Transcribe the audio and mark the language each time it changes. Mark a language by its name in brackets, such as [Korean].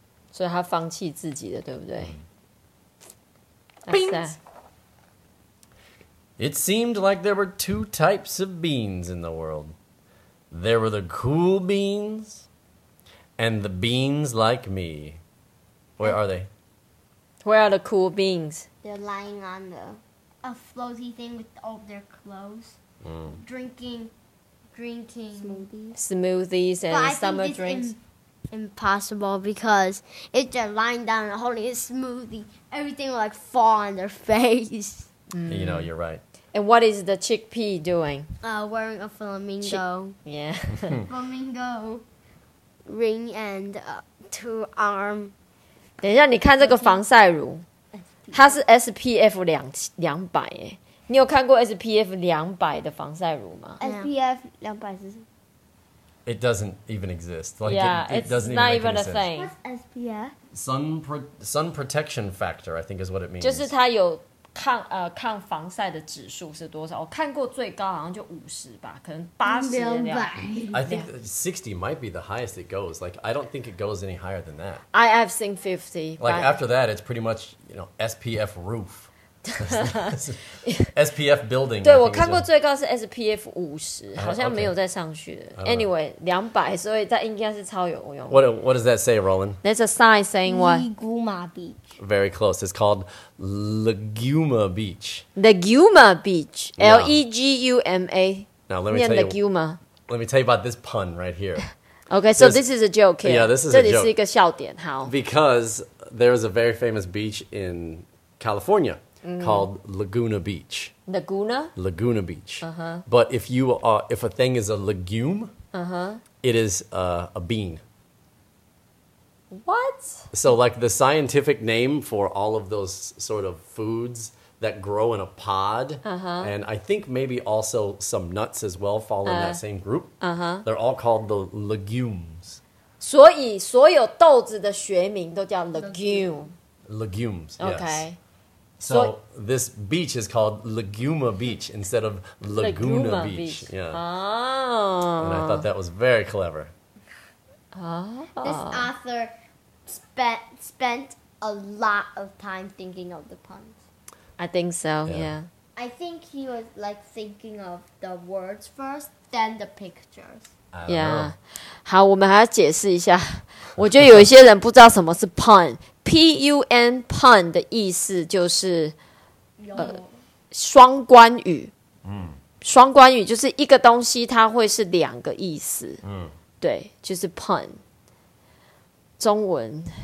[Chinese] 所以他放弃自己的，对不对？ [English] Beans! It seemed like there were two types of beans in the world. There were the cool beans and the beans like me. Where are they? Where are the cool beans? They're lying on a floaty thing with all their clothes. Drinking smoothies and but I summer think this drinks. Impossible because it's just lying down and holding a smoothie. Everything will like fall on their face. Mm. You know, you're right. And what is the chickpea doing? Wearing a flamingo. Flamingo ring and two arm. [Chinese] 等一下，你看这个防晒乳， 它是SPF 两百 耶。你有看过 SPF 200的防晒乳吗? SPF 200是什么? [English] It doesn't even exist. Like, yeah, it doesn't even not even a sense. Thing. What's SPF? Sun protection factor, I think is what it means. [Chinese] 就是它有抗防晒的指数是多少？我看过最高好像就50吧，可能80 两。 [English] I think 60 might be the highest it goes. Like, I don't think it goes any higher than that. I have seen 50. Like, after that, it's pretty much, you know, SPF roof. SPF building. [Chinese] 对，我看过最高是 SPF 50，好像没有再上去了。 Anyway, 200，所以它应该是超有用。 [English] What does that say, Roland? There's a sign saying what? Leguma Beach. Very close. It's called Leguma Beach. Leguma Beach. L-E-G-U-M-A. Now, let me tell you. Leguma. Let me tell you about this pun right here. Okay, so this is a joke here. Yeah, this is a joke. [Chinese] 这里是一个笑点，好。 [English] Because there is a very famous beach in California. Mm-hmm. Called Laguna Beach. Laguna? Laguna Beach. Uh-huh. But if you are, if a thing is a legume, uh-huh. it is a bean. What? So like the scientific name for all of those sort of foods that grow in a pod, uh-huh. and I think maybe also some nuts as well fall in that same group, uh-huh. they're all called the legumes. [Chinese] 所以所有豆子的学名都叫 legume. [English] Legumes, yes. Okay. So this beach is called Leguma Beach instead of Laguna Beach. Yeah. Oh. And I thought that was very clever. This author spent a lot of time thinking of the puns. I think so, yeah. I think he was like thinking of the words first, then the pictures. I don't know. [Chinese] 好，我们还要解释一下。我觉得有一些人不知道什么是 pun。P-U-N, pun 的意思就是双关语。嗯。双关语就是一个东西它会是两个意思。嗯。对，就是 pun。中文。